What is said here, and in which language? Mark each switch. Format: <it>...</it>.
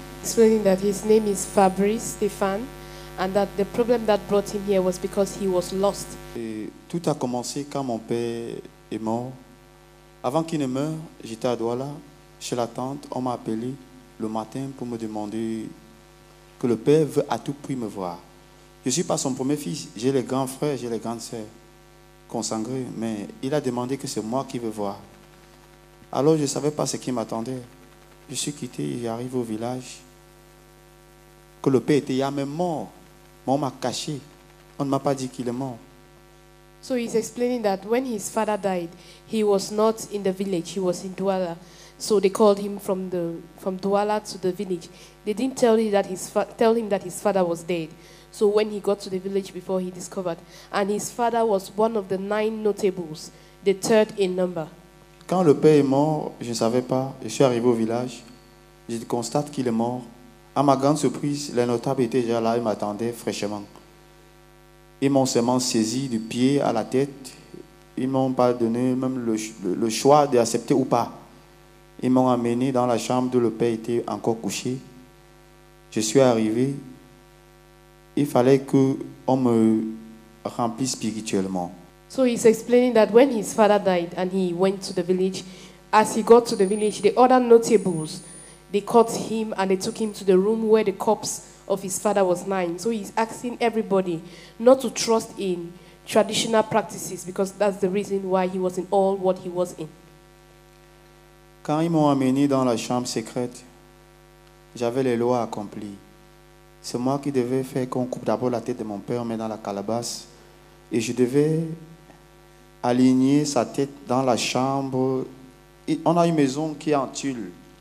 <en>Explaining that his name is Fabrice Stéphane, and that the problem that brought him here was because he was lost.</en> <fr>Et tout a commencé quand mon père est mort. Avant qu'il ne meure, j'étais à Douala. Chez la tante, on m'a appelé le matin pour me demander que le père veut à tout prix me voir. Je ne suis pas son premier fils, j'ai les grands frères, j'ai les grandes sœurs consangrées, mais il a demandé que c'est moi qui veux voir. Alors je ne savais pas ce qui m'attendait. Je suis quitté, j'arrive au village, que le père était hier même mort, mais on m'a caché, on ne m'a pas dit qu'il est mort.</fr> <en>So he's explaining that when his father died, he was not in the village, he was in Douala. So they called him from Douala to the village. They didn't tell him that his father was dead. So when he got to the village before he discovered, and his father was one of the 9 notables, the third in number.</en> <fr>Quand le père est mort, je ne savais pas. Je suis arrivé au village. Je constate qu'il est mort. À ma grande surprise, les notables étaient déjà là et m'attendaient fraîchement. Ils m'ont seulement saisi du pied à la tête. Ils m'ont pas donné même le choix d'accepter ou pas. Ils m'ont amené dans la chambre où le père était encore couché. Je suis arrivé. Il fallait que on me remplisse spirituellement.</fr> <en>So he's explaining that when his father died and he went to the village, as he got to the village, the other notables, they caught him and they took him to the room where the corpse of his father was lying. So he's asking everybody not to trust in traditional practices because that's the reason why he was in all what he was in.</en> <fr>Quand ils m'ont amené dans la chambre secrète, j'avais les lois accomplies. C'est moi qui devais faire qu'on coupe d'abord la tête de mon père, mais dans la calabasse. Et je devais aligner sa tête dans la chambre. Et on a une maison qui est en tulle.</fr>